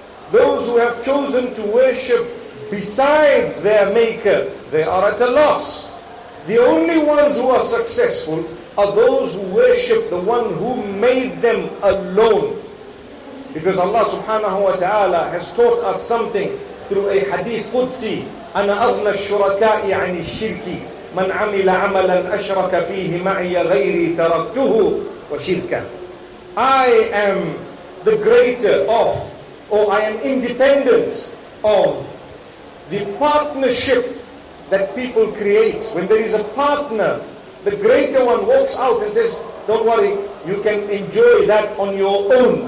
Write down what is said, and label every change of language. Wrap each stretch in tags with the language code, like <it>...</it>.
<en>Those who have chosen to worship besides their Maker, they are at a loss. The only ones who are successful are those who worship the one who made them alone. Because Allah subhanahu wa ta'ala has taught us something through a hadith Qudsi.</en> <ar>أَنَا أَغْنَى الشُّرَكَاءِ عَنِ الشِّرْكِ مَنْ عَمِلَ عَمَلًا أَشْرَكَ فِيهِ مَعِيَ غَيْرِي تَرَكْتُهُ وَشِرْكَ.</ar> <en>I am the greater of, or I am independent of the partnership that people create. When there is a partner, the greater one walks out and says, don't worry, you can enjoy that on your own.</en>